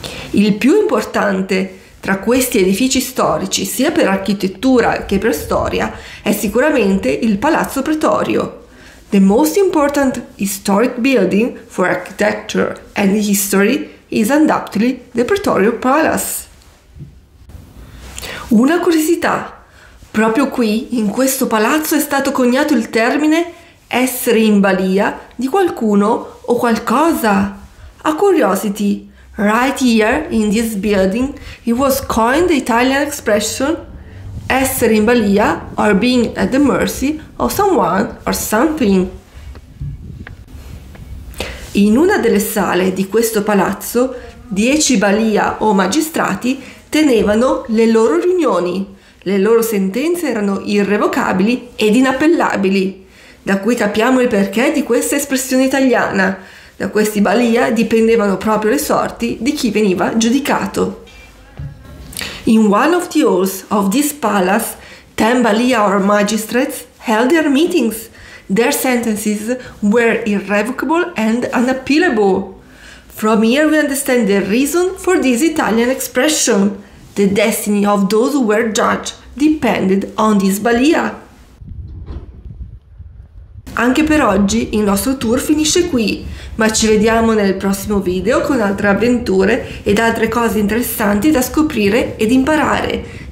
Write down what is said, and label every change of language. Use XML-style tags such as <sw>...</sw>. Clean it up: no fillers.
<it>Il più importante tra questi edifici storici, sia per architettura che per storia, è sicuramente il Palazzo Pretorio.</it> <en>The most important historic building for architecture and history is undoubtedly the Pretorio Palace.</en> <it>Una curiosità. Proprio qui, in questo palazzo, è stato coniato il termine essere in balia di qualcuno o qualcosa.</it> <en>A curiosity, right here in this building, it was coined the Italian expression</en> <it>essere in balia</it> <en>or being at the mercy of someone or something.</en> <it>In una delle sale di questo palazzo, 10 balia o magistrati tenevano le loro riunioni. Le loro sentenze erano irrevocabili ed inappellabili. Da qui capiamo il perché di questa espressione italiana. Da questi balia dipendevano proprio le sorti di chi veniva giudicato.</it> <en>In one of the halls of this palace, 10 balia or magistrates held their meetings. Their sentences were irrevocable and unappealable. From here we understand the reason for this Italian expression. The destiny of those who were judged depended on this balia.</en> <it>Anche per oggi il nostro tour finisce qui, ma ci vediamo nel prossimo video con altre avventure ed altre cose interessanti da scoprire ed imparare.</it>